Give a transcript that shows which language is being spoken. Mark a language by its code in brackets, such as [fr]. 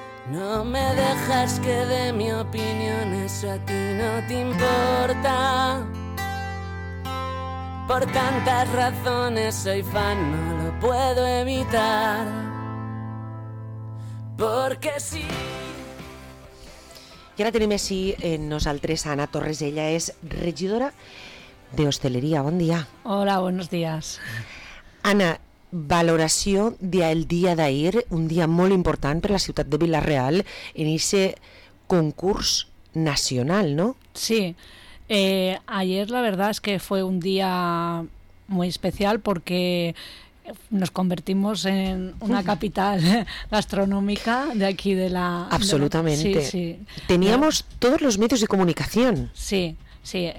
[es] No me dejas que dé mi opinión, eso a ti no te importa. Por tantas razones soy fan, no lo puedo evitar. Porque sí. [ca] I ara tenim així nosaltres a Ana Torres. Ella és regidora de hostaleria. Bon dia. [es] Hola, buenos días. [ca] Ana, valoració del dia d'ahir, un dia molt important per la ciutat de Vila-real, en ese concurs nacional, no? Sí. [es] Ayer la verdad es que fue un día muy especial porque nos convertimos en una capital gastronómica de aquí de la... Absolutamente. De la, sí, sí. Teníamos todos los medios de comunicación. Sí, sí.